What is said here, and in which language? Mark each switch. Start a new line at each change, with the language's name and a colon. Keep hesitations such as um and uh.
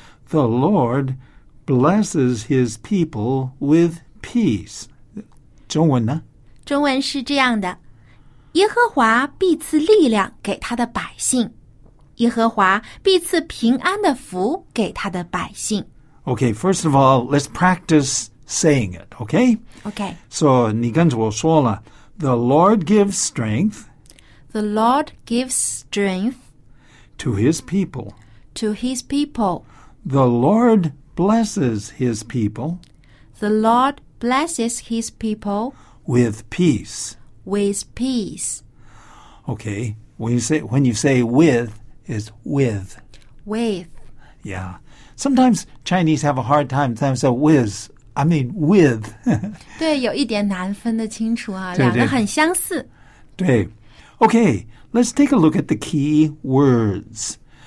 English: The Lord blesses his people with peace.
Chinese: 中文呢? 中文是这样的。耶和华必赐力量给他的百姓。耶和华必赐平安的福给他的百姓。
English: Okay, first of all, let's practice saying it, okay? Okay. So,
Chinese: 你跟着我说了,
English: the Lord gives strength. The Lord gives strength to his people. To his people. The Lord blesses his people. The Lord blesses his people with peace. With peace. Okay. When you say when you say with is with. With. Yeah. Sometimes Chinese have a hard time. Sometimes a with I mean with.
Chinese: 对，有一点难分得清楚啊，两个很相似。
English: 对，OK, okay, let's take a look at the key words.